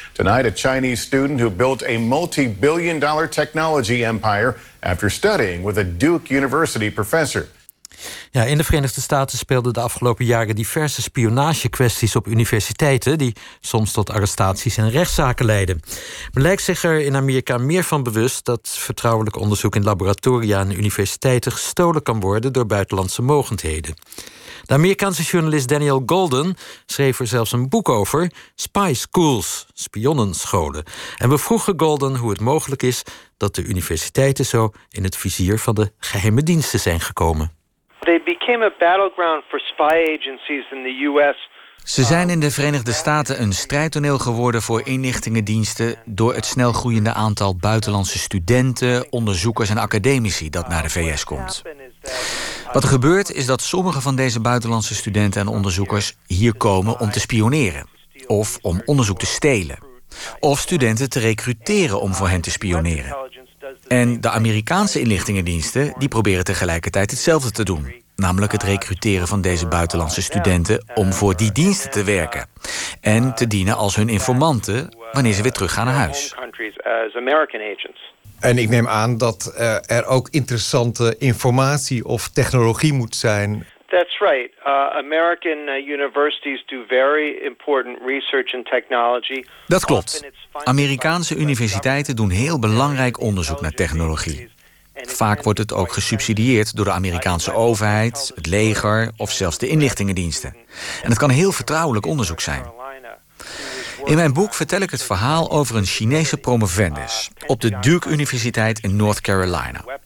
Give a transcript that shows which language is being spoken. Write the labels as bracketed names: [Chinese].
[English] Tonight, a Chinese student who built a multi-billion dollar technology empire after studying with a Duke University professor. [Dutch] Ja, in de Verenigde Staten speelden de afgelopen jaren diverse spionagekwesties op universiteiten die soms tot arrestaties en rechtszaken leiden. Men lijkt zich er in Amerika meer van bewust dat vertrouwelijk onderzoek in laboratoria en universiteiten gestolen kan worden door buitenlandse mogendheden. De Amerikaanse journalist Daniel Golden schreef er zelfs een boek over, Spy Schools, spionnenscholen. En we vroegen Golden hoe het mogelijk is dat de universiteiten zo in het vizier van de geheime diensten zijn gekomen. [English] They became a battleground for spy agencies in the US. [Dutch] Ze zijn in de Verenigde Staten een strijdtoneel geworden voor inlichtingendiensten door het snel groeiende aantal buitenlandse studenten, onderzoekers en academici dat naar de VS komt. Wat er gebeurt is dat sommige van deze buitenlandse studenten en onderzoekers hier komen om te spioneren of om onderzoek te stelen. Of studenten te recruteren om voor hen te spioneren. En de Amerikaanse inlichtingendiensten die proberen tegelijkertijd hetzelfde te doen. Namelijk het recruteren van deze buitenlandse studenten om voor die diensten te werken. En te dienen als hun informanten wanneer ze weer teruggaan naar huis. En ik neem aan dat er ook interessante informatie of technologie moet zijn. [English] That's right. American universities do very important research and technology. [Dutch] Dat klopt. Amerikaanse universiteiten doen heel belangrijk onderzoek naar technologie. Vaak wordt het ook gesubsidieerd door de Amerikaanse overheid, het leger of zelfs de inlichtingendiensten. En het kan heel vertrouwelijk onderzoek zijn. In mijn boek vertel ik het verhaal over een Chinese promovendus op de Duke Universiteit in North Carolina.